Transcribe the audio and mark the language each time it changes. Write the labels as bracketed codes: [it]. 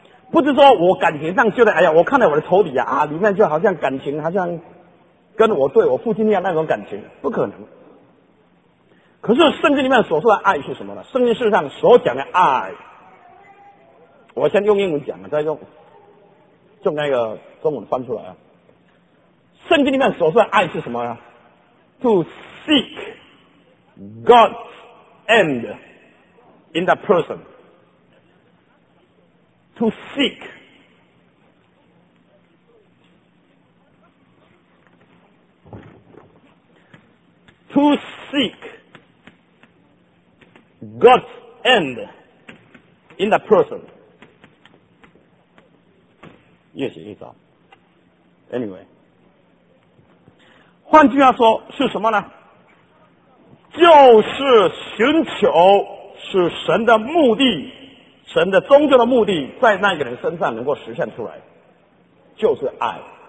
[zh] 不是说我感情上觉得，哎呀，我看到我的仇敌啊，里面就好像感情，好像跟我对我父亲一样那种感情，不可能。可是圣经里面所说的爱是什么呢？圣经事实上所讲的爱，我先用英文讲了，再用那个中文翻出来啊。圣经里面所说的爱是什么呢？ [en] To seek God's end in that person. To seek To seek God's end in that person. [zh] 越写越糟。 Anyway， 换句话说是什么呢？就是寻求使神的目的，神的宗教的目的在那个人身上能够实现出来，就是爱。